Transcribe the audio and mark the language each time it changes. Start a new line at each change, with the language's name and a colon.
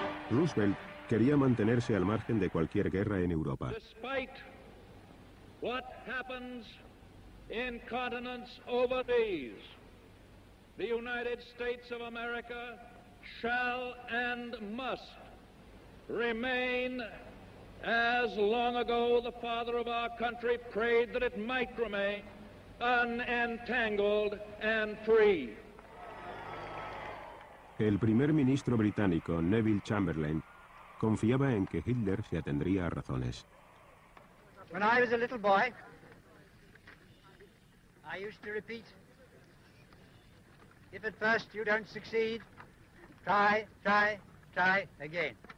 Spanish: Roosevelt quería mantenerse al margen de cualquier guerra en Europa.
English: Despite what happens in continents overseas, the United States of America shall and must remain as long ago the father of our country prayed that it might remain unentangled and free.
Spanish: El primer ministro británico, Neville Chamberlain, confiaba en que Hitler se atendría a razones.
English: When I was a little boy, I used to repeat, if at first you don't succeed, try, try, try again.